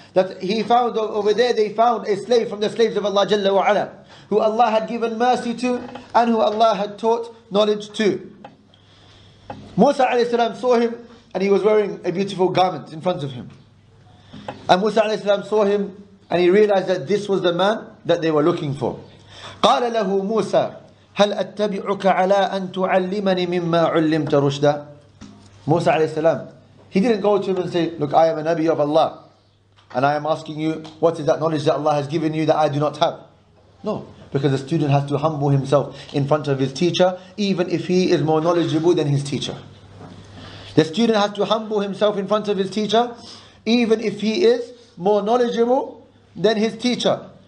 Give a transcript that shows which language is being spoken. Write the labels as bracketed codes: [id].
[en] That he found over there, they found a slave from the slaves of Allah Jalla wa Ala, who Allah had given mercy to and who Allah had taught knowledge to. Musa alayhi salam saw him and he was wearing a beautiful garment in front of him. And Musa alayhi salam saw him and he realized that this was the man that they were looking for. [ar] قَالَ لَهُ مُوسَى هل أتبعك على أن تعلمني مما علمت رشدا؟ موسى عليه السلام. [en] He didn't go to him and say, look, I am a Nabi of Allah, and I am asking you, what is that knowledge that Allah has given you that I do not have? No, because the student has to humble himself in front of his teacher, even if he is more knowledgeable than his teacher. The student has to humble himself in front of his teacher, even if he is more knowledgeable than his teacher.